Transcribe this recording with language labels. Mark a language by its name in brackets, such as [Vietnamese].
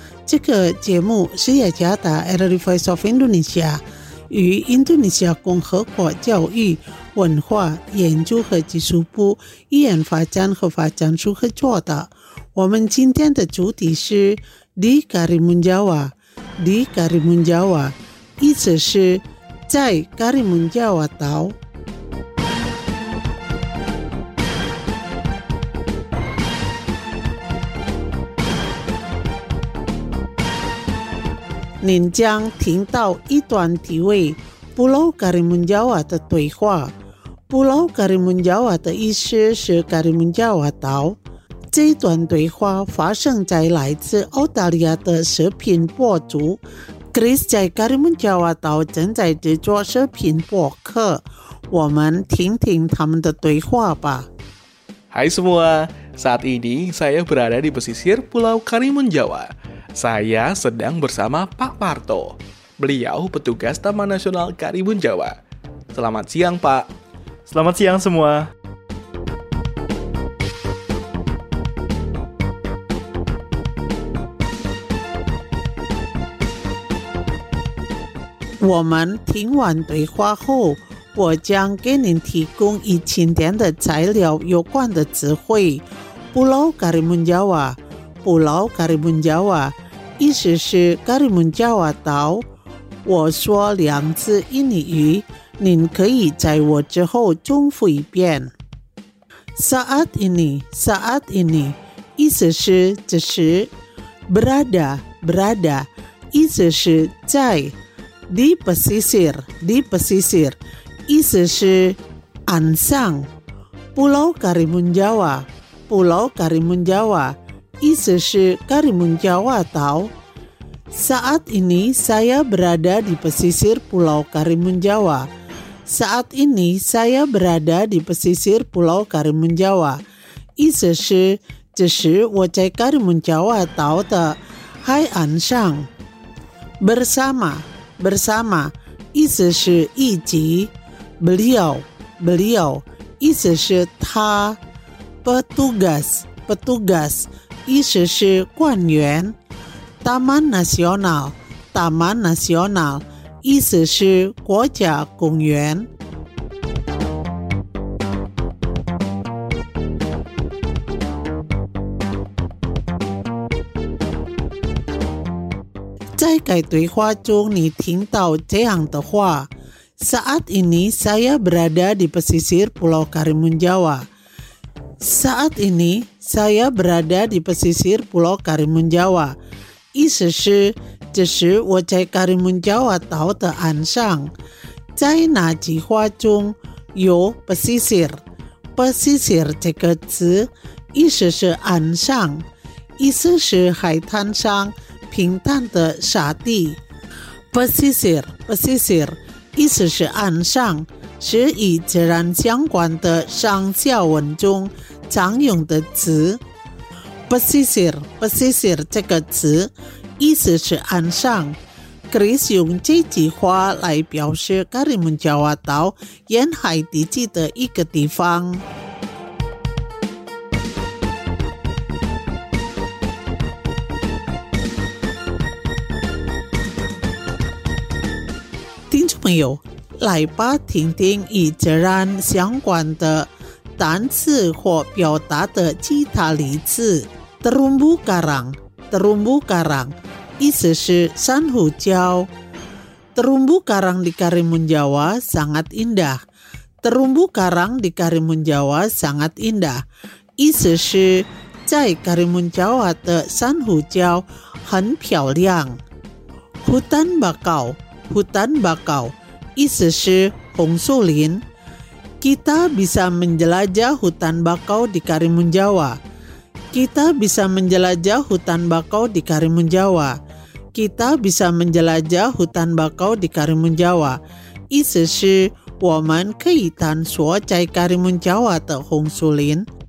[Chinese] 这个节目是雅加达 Early Voice of Indonesia与印度尼西亚共和国教育文化研究和技术部语言发展和发展处合作的。我们今天的主题是 [Indonesian] Di Karimun Jawa。 Di Karimun Jawa [Chinese] 意思是在 Karimun Jawa 岛。您将听到一段题为布洛加里门加瓦的对话。布洛加里门加瓦的意思是加里门加瓦岛。这段对话发生在来自澳大利亚的食品博主 Chris 在加里门加瓦岛正在制作食品博客，我们听听他们的对话吧。 [Indonesian] Hai semua, saat ini saya berada di pesisir Pulau Karimun Jawa. Saya sedang bersama Pak Parto. Beliau petugas Taman Nasional Karimun Jawa. Selamat siang, Pak. Selamat siang semua. [Chinese] Woman, 听完对话后，我将给您提供一千点的材料有关的词汇。布洛加里门加瓦，布洛加里门加瓦，意思是加里门加瓦岛。我说两次印尼语，您可以在我之后重复一遍。 [Indonesian] Saat ini, saat ini， [Chinese] 意思是此时。 [Indonesian] Berada, berada， [Chinese] 意思是在。 [Indonesian] Di pesisir, di pesisir。 [Chinese] 意思是岸上。布洛加里门加瓦，布洛加里门加瓦，意思是加里门加瓦岛。 [Indonesian] Saat ini saya berada di pesisir Pulau Karimun Jawa. Saat ini saya berada di pesisir Pulau Karimun Jawa. [Chinese] 意思是此时我在加里门加瓦岛的海岸上。 [Indonesian] Bersama, bersama, [Chinese] 意思是一起。 [Indonesian] Beliau, beliau, [Chinese] 意思是他。 [Indonesian] Petugas, petugas, [Chinese] 意思是官员。 [Indonesian] Taman Nasional, Taman Nasional, [Chinese] 意思是国家公园。在该对话中，你听到这样的话。 [Indonesian] Saat ini saya berada di pesisir Pulau Karimun Jawa. Saat ini saya berada di pesisir Pulau Karimun Jawa. [Chinese] 意思是，这时我在加里门加瓦岛的岸上。在哪句话中有 pesisir？ Pesisir 这个词意思是岸上，意思是海滩上平坦的沙地。 [Indonesian] Pesisir, pesisir。 [Chinese] 意思是岸上，是与自然相关的上下文中常用的词。 Pesisir, pesisir 这个词意思是岸上。 Chris 用这句话来表示加里门加瓦岛沿海地区的一个地方。朋友，来吧，听听与自然相关的单词或表达的其他例子。 [Indonesian] Terumbu karang, terumbu karang, [Chinese] 意思是珊瑚礁。 [Indonesian] Terumbu karang di Karimun Jawa sangat indah. Terumbu karang di Karimun Jawa sangat indah. [Chinese] 意思是在 Karimun Jawa 的珊瑚礁很漂亮。 [Indonesian] Hutan bakau, hutan bakau. [Chinese] 意思是红树林。 [Indonesian] Kita bisa menjelajah hutan bakau di Karimun Jawa. Kita bisa menjelajah hutan bakau di Karimun Jawa. Kita bisa menjelajah hutan bakau di Karimun Jawa. [Chinese] 意思是我们可以探索在加里门加瓦的红树林。